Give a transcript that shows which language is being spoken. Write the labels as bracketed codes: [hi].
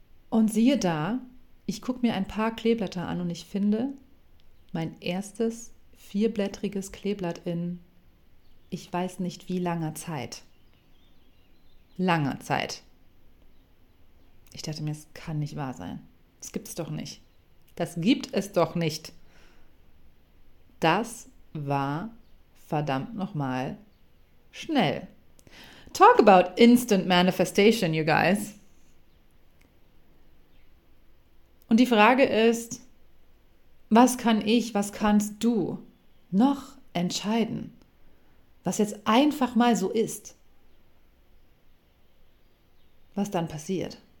[de] Und siehe da, ich gucke mir ein paar Kleeblätter an und ich finde mein erstes vierblättriges Kleeblatt in ich weiß nicht wie langer Zeit. Langer Zeit. Ich dachte mir, es kann nicht wahr sein. Das gibt es doch nicht. Das gibt es doch nicht. Das war verdammt nochmal schnell. [en] Talk about instant manifestation, you guys. [de] Und die Frage ist, was kann ich, was kannst du noch entscheiden, was jetzt einfach mal so ist, was dann passiert?